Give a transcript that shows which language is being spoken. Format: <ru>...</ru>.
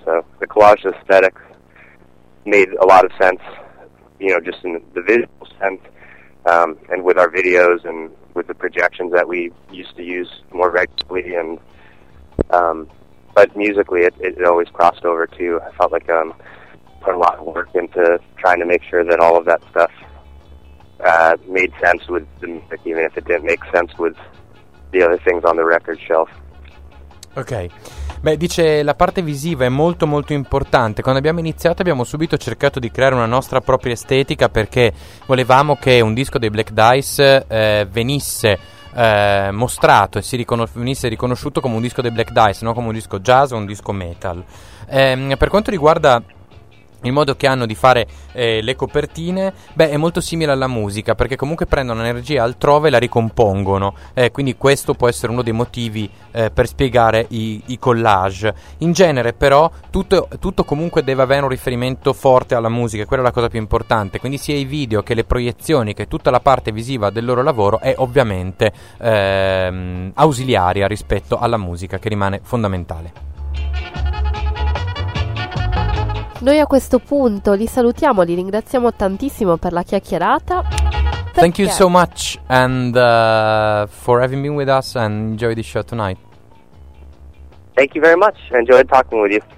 <en>So the collage aesthetic made a lot of sense, you know, just in the visual sense, and with our videos and with the projections that we used to use more regularly, and but musically it always crossed over too. I felt like put a lot of work into trying to make sure that all of that stuff made sense with the music, even if it didn't make sense with the other things on the record shelf.</en> <it>Ok, beh, dice, la parte visiva è molto molto importante. Quando abbiamo iniziato abbiamo subito cercato di creare una nostra propria estetica, perché volevamo che un disco dei Black Dice venisse mostrato e venisse riconosciuto come un disco dei Black Dice, non come un disco jazz o un disco metal. Per quanto riguarda il modo che hanno di fare le copertine, beh, è molto simile alla musica, perché comunque prendono energia altrove e la ricompongono, quindi questo può essere uno dei motivi per spiegare i collage. In genere però tutto comunque deve avere un riferimento forte alla musica, quella è la cosa più importante, quindi sia i video che le proiezioni, che tutta la parte visiva del loro lavoro è ovviamente ausiliaria rispetto alla musica, che rimane fondamentale. Noi a questo punto li salutiamo, li ringraziamo tantissimo per la chiacchierata.</it> <en>Thank you so much and for having been with us and enjoy the show tonight. Thank you very much. Enjoyed talking with you.</en>